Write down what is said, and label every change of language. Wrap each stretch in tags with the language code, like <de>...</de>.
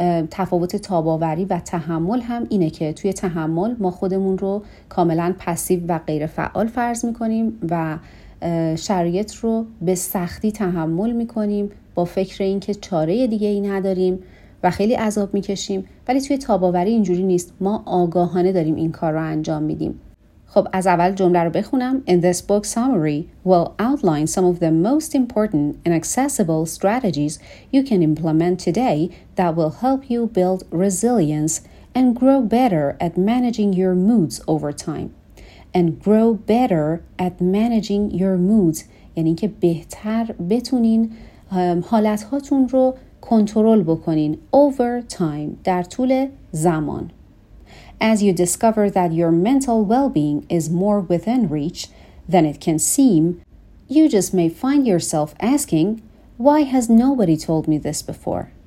<fa>تفاوت تاباوری و تحمل هم اینه که توی تحمل ما خودمون رو کاملا پسیو و غیر فعال فرض میکنیم و شرایط رو به سختی تحمل میکنیم با فکر اینکه چاره دیگه ای نداریم و خیلی عذاب میکشیم، ولی توی تاباوری اینجوری نیست، ما آگاهانه داریم این کار رو انجام میدیم. خب از اول جمله رو بخونم.</fa> <en>In this book summary will outline some of the most important and accessible strategies you can implement today that will help you build resilience and grow better at managing your moods over time. And grow better at managing your moods،</en> <fa>یعنی که بهتر بتونین حالت هاتون رو کنترل بکنین.</fa> <en>Over time،</en> <fa>در طول زمان.</fa> <en>As you discover that your mental well-being is more within reach than it can seem, you just may find yourself asking, "Why has nobody told me this before?"</en>